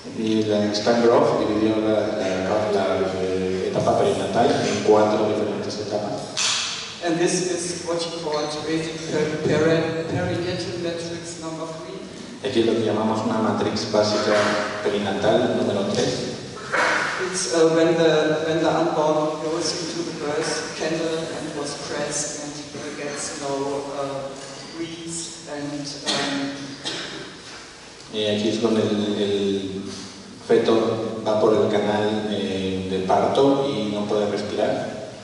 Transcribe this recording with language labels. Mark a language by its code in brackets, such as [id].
[es] Y la Stan Grof dividió la etapa perinatal en cuatro diferentes etapas. [en] And this is what he called basic perinatal matrix number 3. [es] Aquí lo que llamamos una matriz básica perinatal número 3. [en] It's when the unborn goes into the birth canal and was pressed and gets no breeze and [es] y aquí es donde el feto va por el canal del parto y no puede respirar.